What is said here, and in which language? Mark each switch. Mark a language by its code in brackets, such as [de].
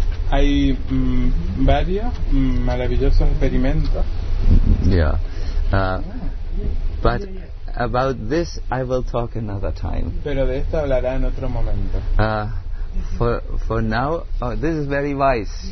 [es] Hay varios maravillosos experimentos. [en] Yeah. But about this I will talk another time. [es] Pero de esto hablará en otro momento. [en] For now, oh, this is very wise.